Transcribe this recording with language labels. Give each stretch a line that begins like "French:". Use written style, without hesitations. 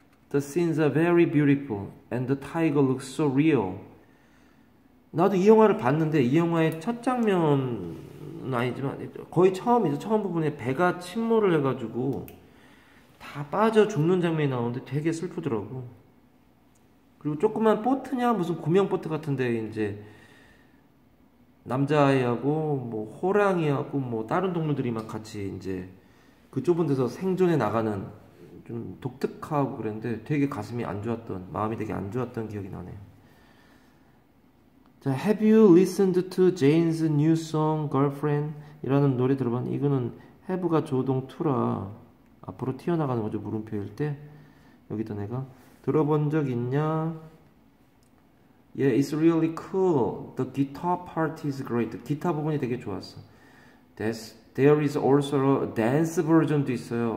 English: The scenes are very beautiful and the tiger looks so real.
Korean: 나도 이 영화를 봤는데 이 영화의 첫 장면은 아니지만 거의 처음이죠. 처음 부분에 배가 침몰을 해가지고 다 빠져 죽는 장면이 나오는데 되게 슬프더라고. 그리고 조그만 보트냐 무슨 구명 보트 같은데 이제 남자아이하고 뭐 호랑이하고 뭐 다른 동물들이 막 같이 이제 그 좁은 데서 생존해 나가는 좀 독특하고 그랬는데 되게 가슴이 안 좋았던 마음이 되게 안 좋았던 기억이 나네요.
English: 자, Have you listened to Jane's new song, Girlfriend?
Korean: 이라는 노래 들어봤는데 이거는 해브가 조동투라 앞으로 튀어나가는 거죠 물음표일 때 여기다 내가 들어본 적 있냐?
English: Yeah, it's really cool. The guitar part is great.
Korean: 기타 부분이 되게 좋았어.
English: There is also a dance version도 있어요.